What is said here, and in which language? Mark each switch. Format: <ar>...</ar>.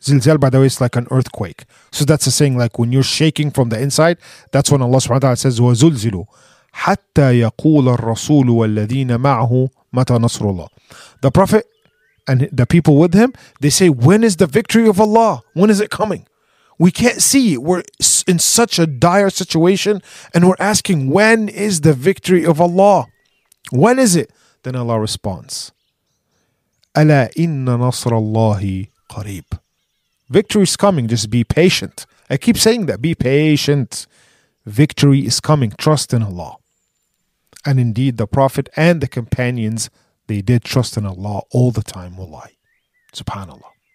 <en>Zilzal, by the way, is like an earthquake. So that's a saying like when you're shaking from the inside, that's when Allah subhanahu wa ta'ala says,</en> <ar>وَزُلْزِلُوا حَتَّى يَقُولَ الرَّسُولُ وَالَّذِينَ مَعْهُ مَتَى نَصْرُ اللَّهِ.</ar> <en>The Prophet and the people with him, they say, when is the victory of Allah? When is it coming? We can't see. We're in such a dire situation and we're asking, when is the victory of Allah? When is it? Then Allah responds,</en> <ar>أَلَا إِنَّ نَصْرَ اللَّهِ قَرِيب.</ar> <en>Victory is coming, just be patient. I keep saying that, be patient. Victory is coming, trust in Allah. And indeed, the Prophet and the companions, they did trust in Allah all the time, wallahi. Subhanallah.</en>